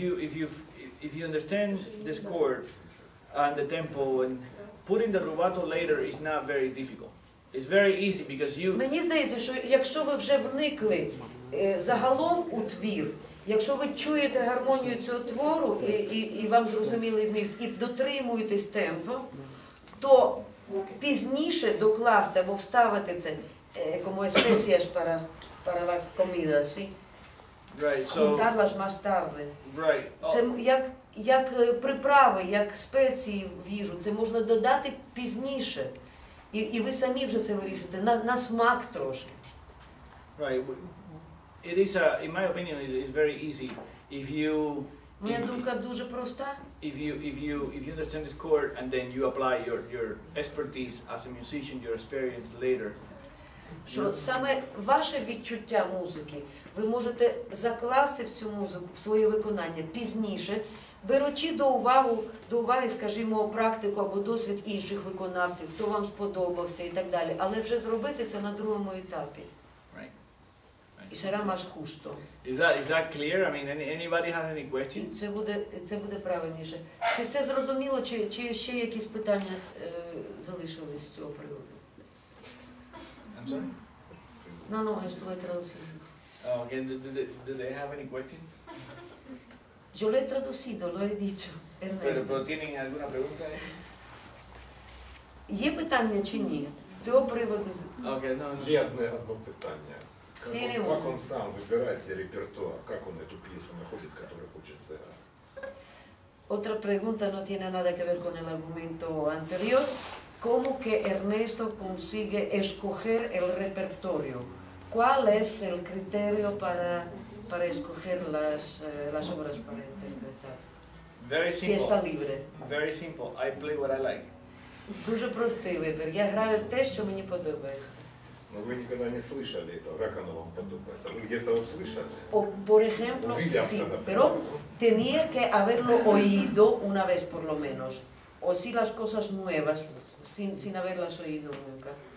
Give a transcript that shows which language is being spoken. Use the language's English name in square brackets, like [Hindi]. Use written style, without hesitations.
[English] if you understand this chord and the tempo and putting the rubato later is not very difficult. It's very easy because you. [Ukrainian] Мені здається, що якщо ви вже вникли загалом у твір, якщо ви чуєте гармонію цього твору і вам зрозумілий зміст і дотримуєтесь темпу, то пізніше докласти або вставити це [Spanish] como especias para la comida, sí. [English] Right. So [Spanish] juntarlas más tarde. [English] Right. [Ukrainian] Це як приправи, як спеції в їжу, це можна додати пізніше. І ви самі вже це вирішуєте на смак трошки. Right. [English] It is a, in my opinion, it's very easy. If you [Ukrainian] моя думка дуже проста. [English] If you understand this chord and then you apply your expertise as a musician, your experience later. [Ukrainian] Що саме ваше відчуття музики, ви можете закласти в цю музику в своє виконання пізніше. Беручи до уваги, скажімо, практику або досвід інших виконавців, хто вам сподобався і так далі, але вже зробити це на другому етапі. [English] Right. [Ukrainian] І ще раз маш хусто. [English] Is that clear? I mean, anybody has any questions? [Ukrainian] Це буде правильніше. Чи все зрозуміло, чи ще якісь питання залишились з цього приводу? [English] I'm sorry? No, just to let us. Okay, do they have any questions? [Spanish] Yo lo he traducido, lo he dicho, Ernesto. Pero ¿tienen alguna pregunta? [Ukrainian] ¿Є питання чи ні? З цього приводу. [English] Okay, no. [Ukrainian] Є одне питання. [Russian] Как он сам выбирает себе репертуар? Как он эту пьесу находит, которая хочется? [Spanish] Otra pregunta no tiene nada que ver con el argumento anterior. ¿Cómo que Ernesto consigue escoger el repertorio? ¿Cuál es el criterio para escoger las obras para interpretar? [English] Very simple. [Spanish] Si está libre. [English] Very simple. I play what I like. [Ukrainian] Дуже простий вибір. Я граю те, що мені подобається. Ну ви ніколи не [Russian] слышали это. Как оно вам [Ukrainian] подобається? [Russian] Ви где-то услышали? [Spanish] Por ejemplo, sí, pero tenía que haberlo oído una vez por lo menos. O si las cosas nuevas sin haberlas oído nunca.